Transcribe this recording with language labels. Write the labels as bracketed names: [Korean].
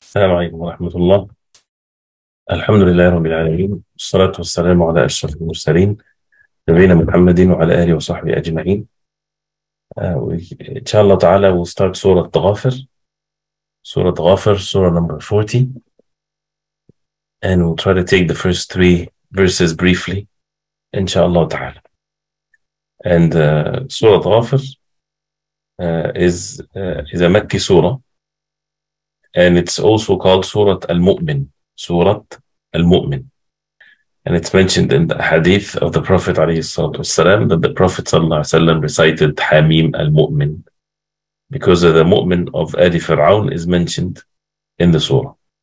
[Arabic] السلام عليكم ورحمة الله. الحمد لله رب العالمين، والصلاة والسلام على أشرف المرسلين نبينا محمد وعلى آله وصحبه أجمعين. إن شاء الله تعالى وستارت سورة غافر، سورة غافر، سورة نمبر 40. [English] And we'll try to take the first three verses briefly [Arabic] إن شاء الله تعالى. [English] And سورة غافر is a مكي سورة. And it's also called Surah Al-Mu'min, Surah Al-Mu'min. And it's mentioned in the hadith of the Prophet والسلام, that the Prophet recited Hamim Al-Mu'min because of the Mu'min of Adi Fir'aun is mentioned in the Surah.